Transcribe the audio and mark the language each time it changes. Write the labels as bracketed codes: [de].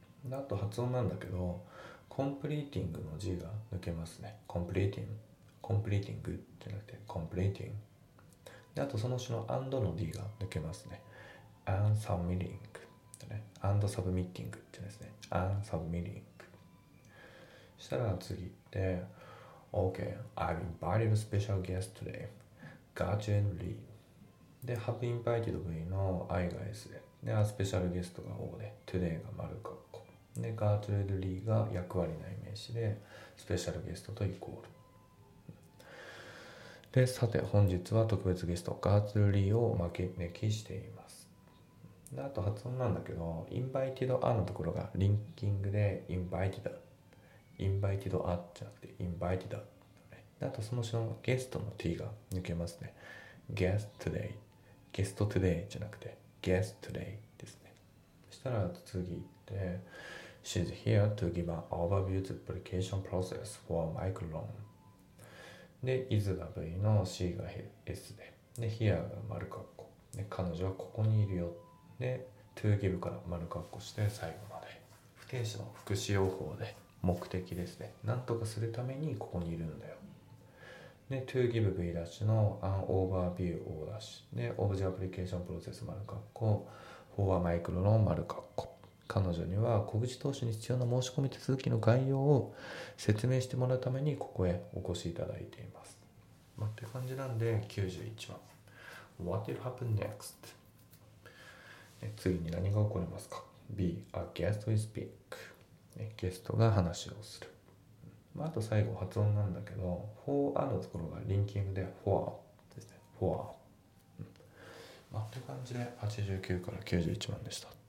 [ja] あと発音なんだけど、コンプリーティングの字が抜けますね。コンプリーティング、コンプリーティングってなくてコンプリーティング、あとその種の and の d が抜けますね。 and submitting、ね、and submitting ってですね、 and submitting。したら次って [en] OK, I've invited a special guest today. Gajun Lee. [ja] で、Have invited V の I が S で、で、A special guest が O で、Today が丸括弧。で、Gajun Lee が役割ない名詞で、special guest とイコール。で、さて、本日は特別ゲスト、Gajun Lee を招きしています。で、あと発音なんだけど、invited A のところがリンキングで、invited。 invited a じゃなくて invited だと、その種のゲストの t が抜けますね。 guest today、 ゲスト today じゃなくて guest today ですね。したら次で [en] she's here to give an overview to application process for a micro loan [ja] で is が v の c が s で、で here が丸括弧で、彼女はここにいるよ、で to give から丸括弧して最後まで、不定詞の副詞用法で目的ですね。なんとかするためにここにいるんだよ。で、to give V' の an overview O' で、object application process 丸括弧、for a micro loan 丸括弧。彼女には小口投資に必要な申し込み手続きの概要を説明してもらうためにここへお越しいただいています。まあ、って感じなんで91番。 [en] What will happen next? [ja] 次に何が起こりますか ? [en] B, a guest will speak. [ja] ゲストが話をする、まあ、あと最後発音なんだけど for a のところがリンキングで for ですね、for、うん、まあ、って感じで89から91番でした。